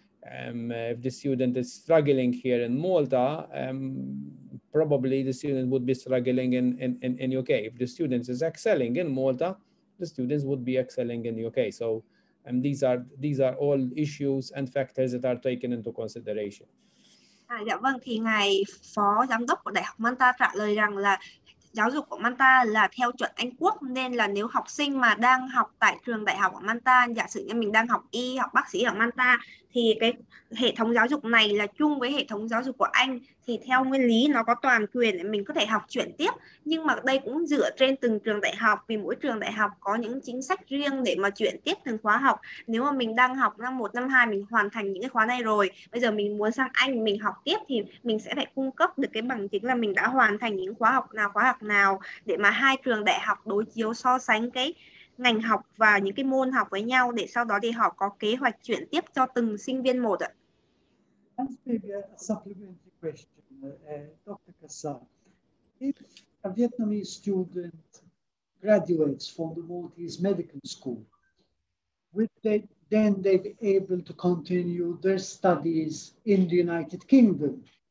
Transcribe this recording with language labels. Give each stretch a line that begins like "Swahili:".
English: If the student is struggling here in Malta, probably the student would be struggling in UK. If the student is excelling in Malta, the students would be excelling in UK. So these are all issues and factors that are taken into consideration.
Vietnamese: À, dạ vâng, thì ngài phó giám đốc của Đại học Malta trả lời rằng là giáo dục của Malta là theo chuẩn Anh Quốc, nên là nếu học sinh mà đang học tại trường Đại học ở Malta, giả sử như mình đang học y, học bác sĩ ở Malta, thì cái hệ thống giáo dục này là chung với hệ thống giáo dục của Anh, thì theo nguyên lý nó có toàn quyền để mình có thể học chuyển tiếp, nhưng mà đây cũng dựa trên từng trường đại học, vì mỗi trường đại học có những chính sách riêng để mà chuyển tiếp từng khóa học. Nếu mà mình đang học năm 1, năm 2, mình hoàn thành những cái khóa này rồi, bây giờ mình muốn sang Anh mình học tiếp, thì mình sẽ phải cung cấp được cái bằng chứng là mình đã hoàn thành những khóa học nào để mà hai trường đại học đối chiếu so sánh cái ngành học và những cái môn học với nhau, để sau đó thì họ có kế hoạch chuyển tiếp cho từng sinh viên một ạ.
English: Dr. Kassar, if a Vietnamese student graduates from the Maltese medical school, would they then they be able to continue their studies in the United Kingdom?